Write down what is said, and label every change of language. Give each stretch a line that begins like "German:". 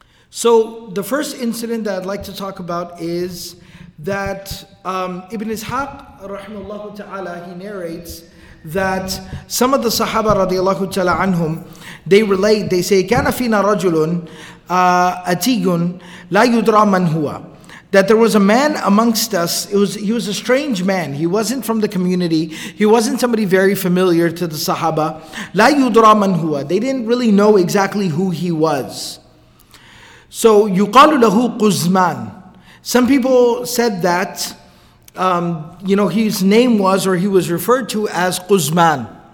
English: So the first incident that I'd like to talk about is that Ibn Ishaq, rahimahullah ta'ala, he narrates that some of the Sahaba, radiallahu ta'ala anhum, they relate, they say,
Arabic: كَانَ فِينَا رَجُلٌ أَتِيٌّ لَا يُدْرَى مَنْ هُوَ,
English: that there was a man amongst us, he was a strange man, he wasn't from the community, he wasn't somebody very familiar to the Sahaba,
Arabic: لَا يُدْرَى مَنْ هُوَ,
English: they didn't really know exactly who he was. So
Arabic: يُقَالُ لَهُ قُزْمَان.
English: Some people said that his name was, or he was referred to as قُزْمَان.